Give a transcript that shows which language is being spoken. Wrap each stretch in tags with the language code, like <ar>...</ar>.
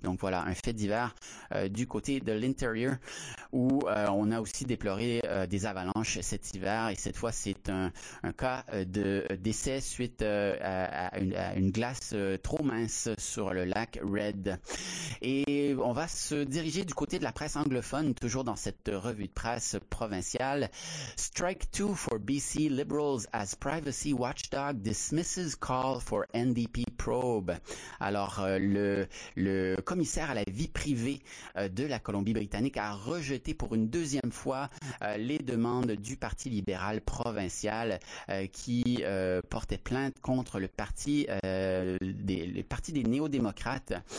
<fr>Donc voilà, un fait divers du côté de l'intérieur où on a aussi déploré des avalanches cet hiver et cette fois c'est un cas de décès suite à une glace trop mince sur le lac Red. Et on va se diriger du côté de la presse anglophone, toujours dans cette revue de presse provinciale.</fr> <en>Strike 2 for BC Liberals as privacy watchdog dismisses call for NDP probe.</en> <fr>Alors, le commissaire à la vie privée de la Colombie-Britannique a rejeté pour une deuxième fois les demandes du Parti libéral provincial qui portait plainte contre le parti des néo-démocrates.</fr>